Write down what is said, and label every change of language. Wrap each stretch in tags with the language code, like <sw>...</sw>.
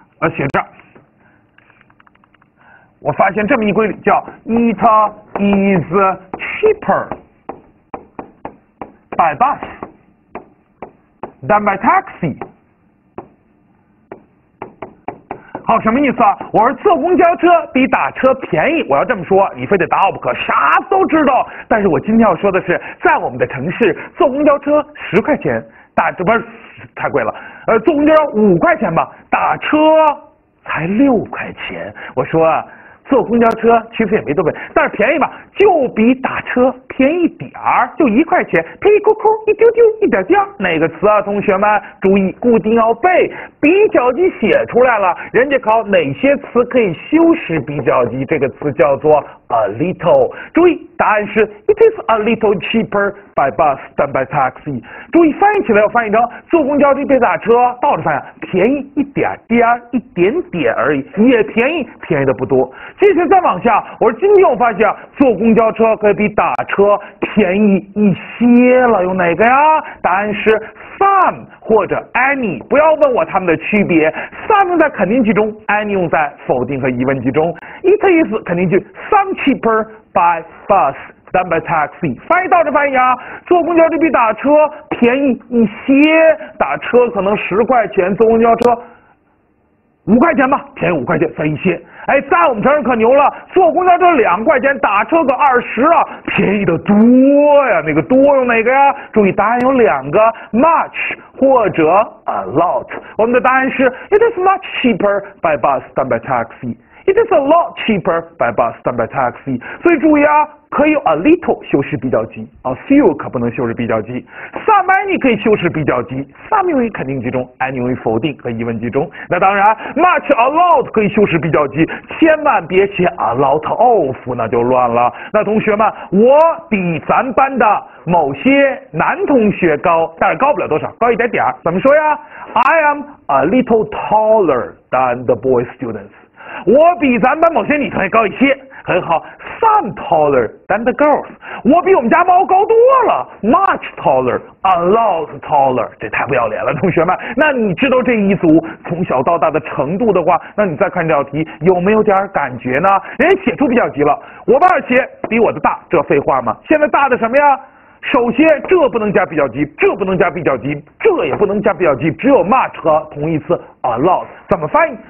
<zh>写着，我发现这么一规律，叫</zh> <en>it is cheaper by bus than by taxi。</en> <zh>好，什么意思啊？我是坐公交车比打车便宜，我要这么说你非得打我不可，啥都知道。但是我今天要说的是，在我们的城市坐公交车10块钱，打这不是太贵了，坐公交车5块钱吧，打车才6块钱。我说坐公交车其实也没多贵，但是便宜吧，就比打车便宜点儿，就1块钱，便宜抠抠，一丢丢，一点点。哪个词啊？同学们注意，固定要背。比较级写出来了，人家考哪些词可以修饰比较级，这个词叫做 a little。注意答案是</zh> <en>it is a little cheaper by bus than by taxi。</en> <zh>注意翻译起来，我翻译成坐公交车比打车，倒着翻译，便宜一点点，一点点而已，也便宜，便宜的不多。接下来再往下，我说今天我发现坐公交车可以比打车便宜一些了，有哪个呀？答案是 some 或者 any。不要问我他们的区别， some 用在肯定句中， any 用在否定和疑问句中。 it is 肯定句，</zh> <en>some cheaper by bus than by taxi，</en> <zh>翻译倒着翻译啊，坐公交车比打车便宜一些，打车可能10块钱，坐公交车5块钱吧，便宜5块钱，算一些。哎，在我们城市可牛了，坐公交车2块钱，打车个20啊，便宜的多呀。那个多用哪个呀？注意答案有两个， much 或者 a lot。我们的答案是</zh> <en>it is much cheaper by bus than by taxi， it is a lot cheaper by bus than by taxi。</en> <zh>所以注意啊，可以 a little 修饰比较级， a few 可不能修饰比较级， some any 可以修饰比较级， some 用于肯定集中， any 用于否定和疑问集中。那当然 much a lot 可以修饰比较级，千万别写 a lot of， 那就乱了。那同学们，我比咱班的某些男同学高，但是高不了多少，高一点点，怎么说呀？</zh> <en>I am a little taller than the boy students。</en> <zh>我比咱班某些女同学高一些，很好，</zh> <en>some taller than the girls。</en> <zh>我比我们家猫高多了，</zh> <en>much taller， a lot taller。</en> <zh>这太不要脸了，同学们。那你知道这一组从小到大的程度的话，那你再看这道题有没有点感觉呢？人家写出比较急了，我爸鞋比我的大，这废话吗？现在大的什么呀？首先这不能加比较级，这不能加比较级，这也不能加比较级，只有 much 和同义词 a lot。怎么翻译？</zh>